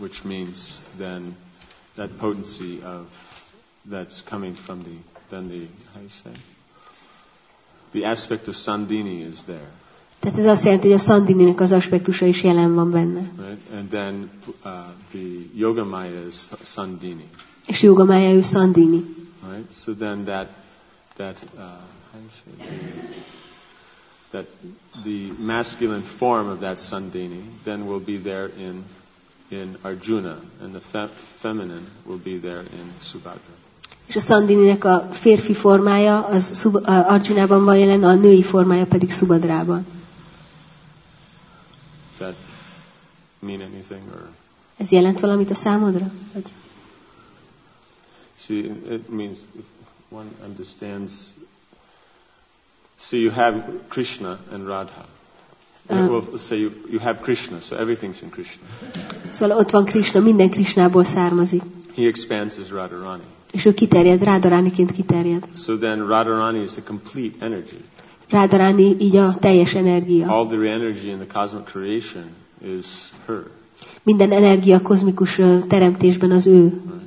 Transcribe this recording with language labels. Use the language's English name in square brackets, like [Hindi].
[English] Which means then that potency of that's coming from the how you say the aspect of Sandini is there. [Hungarian] Tehát ez azt jelenti, hogy a Sandininek az aspektusa is jelen van benne. [English] Right? And then the Yogamaya is Sandini. [Hungarian] És Yogamaya ő Sandini. [English] Right? So then how you say that the masculine form of that Sandini then will be there in Arjuna, and the feminine will be there in Subhadra. [Hungarian] És a Sandininek a férfi formája az Arjunában van jelen, a női formája pedig Subhadrában. [English] Does that mean anything, or? [Hungarian] Ez jelent valamit a számodra? Vagy? [English] See, it means if one understands. See, you have Krishna and Radha. You have Krishna, so everything's in Krishna. [Hungarian] Szóval ott van Krishna, minden Krishnából származik. [English] He expands as Radharani. [Hungarian] És ő kiterjed, Radharaniként kiterjed. [English] So then Radharani is the complete energy. [Hungarian] Radharani így a teljes energia. [English] All the energy in the cosmic creation is her. [Hungarian] Minden energia a kozmikus teremtésben az ő.